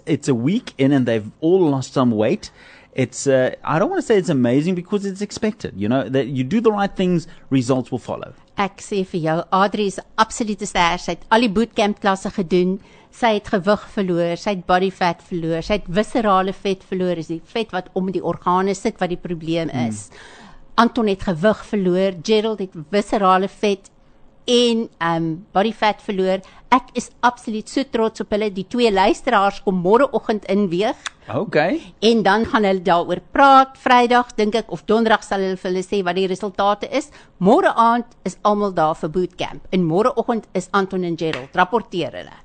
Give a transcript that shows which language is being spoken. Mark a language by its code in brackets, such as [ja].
[en] It's a week in and they've all lost some weight. It's I don't want to say it's amazing because it's expected, you know, that you do the right things, results will follow. [af] Ek sê vir jou, Adrie is absolute ster. Sy het al die bootcamp klasse gedoen. Sy het gewig verloor, sy het body fat verloor, sy het viscerale vet verloor, is die vet wat om die organe sit wat die probleem is. Anton het gewig verloor, Gerald het viscerale vet en body fat verloor. Ek is absoluut so trots op hulle, die twee luisteraars kom morgenoggend inweeg. [en] Okay. [af] En dan gaan hulle daaroor praat, vrijdag, denk ek, of donderdag sal hulle vir hulle sê wat die resultate is. Morgen aand is allemaal daar vir bootcamp. En morgenoggend is Anton en Gerald, rapporteer hulle.